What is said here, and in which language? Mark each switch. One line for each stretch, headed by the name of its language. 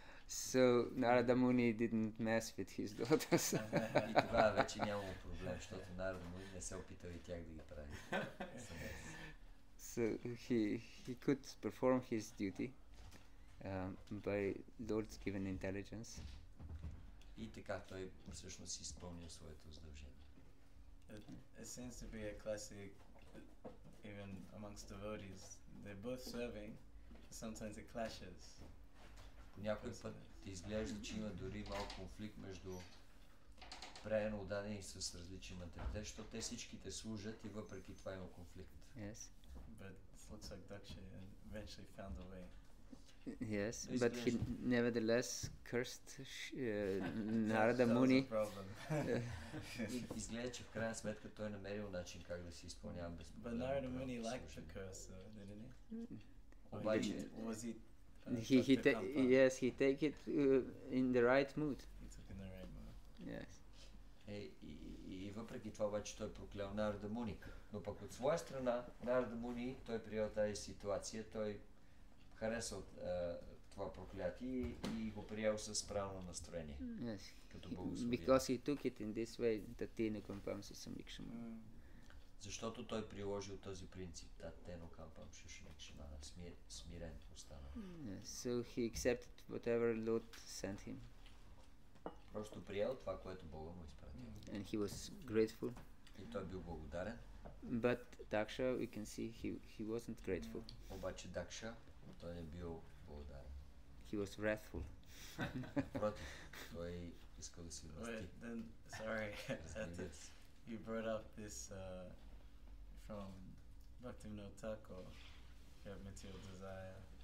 English: So Narada Muni didn't mess with his daughters.
Bulgarian: И тогава вече нямало проблем, защото Narada Muni не се опитал и тях да ги прави.
English: So he could perform his duty. By Lord's given intelligence.
Bulgarian: И така той всъщност изпълнил своето задължение.
English: It seems to be a classic even amongst devotees. They're both serving, sometimes it clashes.
Bulgarian: Някой път изглежда, че има дори малко конфликт между преено отдадени с различни материали, защото те всичките служат и въпреки това има конфликт.
English: Yes. But it looks like Daksha eventually found a way. Yes, but he nevertheless cursed Narada Muni.
Bulgarian: Изглежда, че в крайна сметка той е намерил начин как да си изпълнява без проблем.
English: But Narada Muni liked the curse, didn't he? Was he? Yes, he take it in the right mood. He took in the right mood. Yes.
Bulgarian: И въпреки това обаче той проклял Narada Muni. Но пък от своя страна Narada Muni той приел тази ситуация, той харесал това проклятие и го приел с правилно настроение.
English: Yes.
Bulgarian: Като благословие.
English: Because he took it in this way,
Sanskrit: tatino kampamsu sabikshana.
Bulgarian: Защото той приложил този принцип,
Sanskrit: tatino kampamsu sabikshana,
Bulgarian: смирен остана.
English: So he accepted whatever Lord sent him.
Bulgarian: Просто приел това, което Бог му изпратил.
English: And he was grateful.
Bulgarian: И той бил благодарен.
English: But Daksha, we can see he wasn't grateful.
Bulgarian: Обаче Daksha, той не бил благодарен.
English: He was wrathful.
Bulgarian: Напротив, той искал да си вмъсти.
English: Wait, then, sorry, you brought up this from Bhaktivinoda Thakur, you have material desire.